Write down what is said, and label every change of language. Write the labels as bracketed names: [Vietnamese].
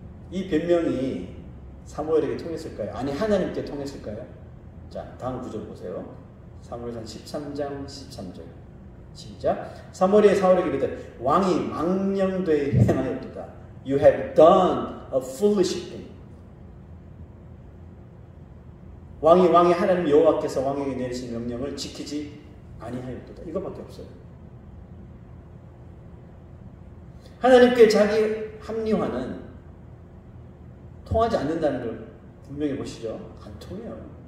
[Korean] 이 변명이 사무엘에게 통했을까요? 아니 하나님께 통했을까요? 자 다음 구절 보세요. 사무엘상 13장 13절 시작. 사무엘이 사울에게 이르되 왕이 망령되이 행하였도다. [English] You have done a foolish thing. [Korean] 왕이 하나님 여호와께서 왕에게 내리신 명령을 지키지 아니하였도다. 이것밖에 없어요. 하나님께 자기 합리화는 통하지 않는다는 걸 분명히 보시죠. 안 통해요.